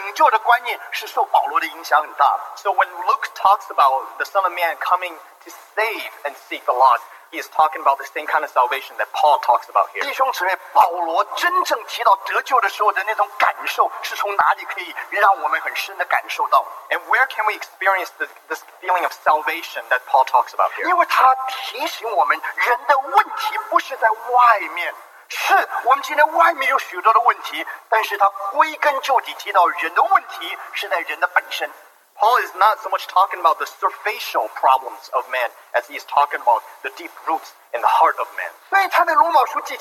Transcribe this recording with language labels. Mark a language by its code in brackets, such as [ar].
[zh] 所以他提到耶稣来，我要寻找拯救世上，他的拯救的观念是受保罗的影响很大。 [en] So when Luke talks about the Son of Man coming to save and seek the lost, he is talking about the same kind of salvation that Paul talks about here. [zh] 弟兄姊妹，保罗真正提到得救的时候的那种感受，是从哪里可以让我们很深的感受到？ [en] And where can we experience this feeling of salvation that Paul talks about here? [zh] 因为他提醒我们，人的问题不是在外面。是我们今天外面有许多的问题，但是它归根究底提到人的问题是在人的本身。 [en] Paul is not so much talking about the surfacial problems of man as he is talking about the deep roots in the heart of man.